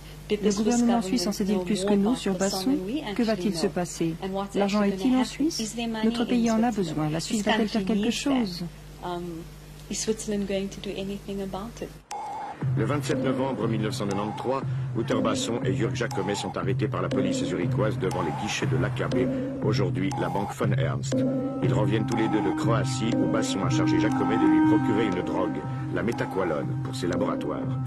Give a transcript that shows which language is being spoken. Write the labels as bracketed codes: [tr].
[fr] Le gouvernement suisse en sait-il plus que nous sur Basson ? Que va-t-il se passer ? L'argent est-il en Suisse ? Notre pays en a besoin. La Suisse va-t-elle faire quelque chose ? [en] Is Switzerland going to do anything about it? [fr] Le 27 novembre 1993, Wouter Basson et Jörg Jacquemet sont arrêtés par la police zurichoise devant les guichets de l'AKB, aujourd'hui la banque von Ernst. Ils reviennent tous les deux de Croatie, où Basson a chargé Jacquemet de lui procurer une drogue, la métaqualone, pour ses laboratoires.